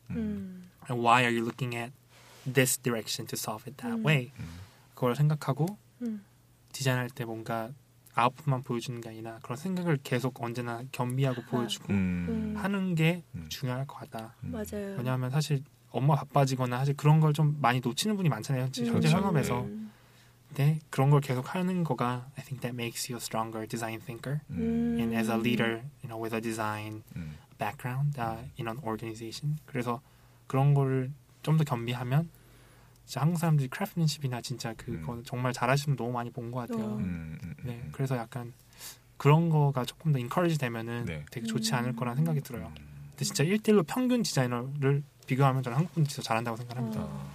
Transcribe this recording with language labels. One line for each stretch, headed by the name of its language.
English: And why are you looking at this direction to solve it that way?
Korean: 그걸 생각하고 디자인할 때 뭔가 아웃풋만 보여주는 게 아니라 그런 생각을 계속 언제나 겸비하고 보여주고 하는 게 중요할 것 같다. 맞아요. 왜냐하면 사실 엄마 바빠지거나 사실 그런 걸 좀 많이 놓치는 분이 많잖아요. 현재 현업에서. 네, 그런 걸 계속 하는 거가
English: I think that makes you a stronger design thinker and as a leader, you know, with a design background in an organization.
Korean: 그래서 그런 거를 좀 더 겸비하면 진짜 한국 사람들이 크래프트십이나 진짜 그거 정말 잘하시는 분 너무 많이 본 것 같아요. 네, 그래서 약간 그런 거가 조금 더 인커리지 되면은 네. 되게 좋지 않을 거라는 생각이 들어요. 근데 진짜 1대1로 평균 디자이너를 비교하면 저는 한국 분들이 더 잘한다고 생각합니다.